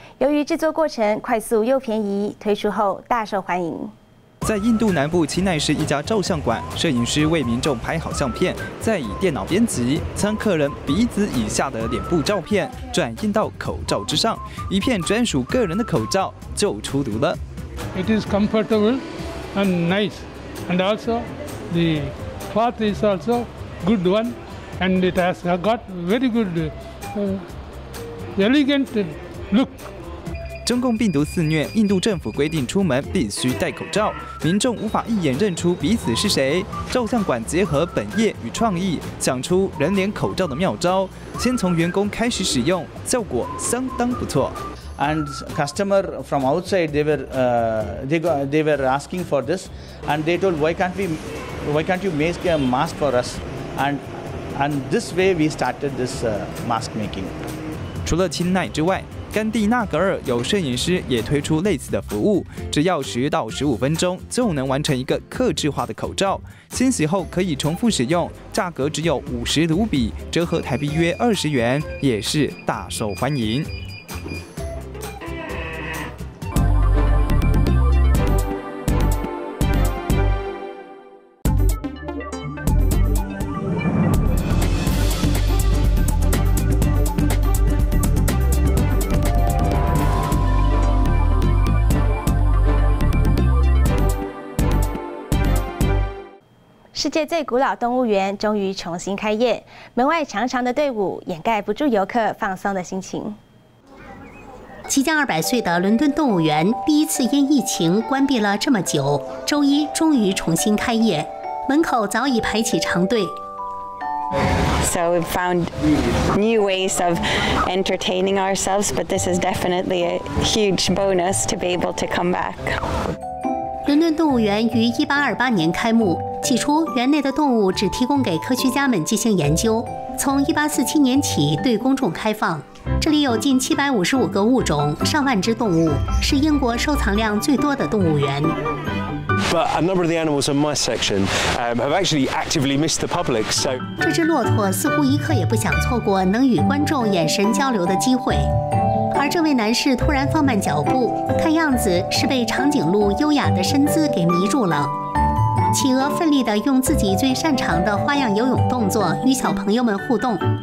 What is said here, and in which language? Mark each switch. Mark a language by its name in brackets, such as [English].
[Chinese] 由于制作过程快速又便宜，推出后大受欢迎。在印度南部钦奈市一家照相馆，摄影师为民众拍好相片，再以电脑编辑将客人鼻子以下的脸部照片转印到口罩之上，一片专属个人的口罩就出炉了。 [English] It is comfortable and nice, and also the cloth is also good one, and it has got very good, elegant look. [Chinese] 中共病毒肆虐，印度政府规定出门必须戴口罩，民众无法一眼认出彼此是谁。照相馆结合本业与创意，想出人脸口罩的妙招，先从员工开始使用，效果相当不错。 [English] And customer from outside, they were asking for this, and they told why can't you make a mask for us? And this way we started this mask making. [Chinese] 除了钦奈之外，甘地纳格尔有摄影师也推出类似的服务，只要10到15分钟就能完成一个客制化的口罩，清洗后可以重复使用，价格只有50卢比，折合台币约20元，也是大受欢迎。世界最古老动物园终于重新开业，门外长长的队伍掩盖不住游客放松的心情。即将200岁的伦敦动物园第一次因疫情关闭了这么久，周一终于重新开业，门口早已排起长队。 [English] So we found new ways of entertaining ourselves, but this is definitely a huge bonus to be able to come back. [Chinese] 伦敦动物园于1828年开幕。起初园内的动物只提供给科学家们进行研究，从1847年起对公众开放，这里有近755个物种，上万只动物，是英国收藏量最多的动物园。 [English] But a number of the animals in my section have actually actively missed the public. So [Chinese] 这只骆驼似乎一刻也不想错过能与观众眼神交流的机会，而这位男士突然放慢脚步，看样子是被长颈鹿优雅的身姿给迷住了。企鹅奋力地用自己最擅长的花样游泳动作与小朋友们互动。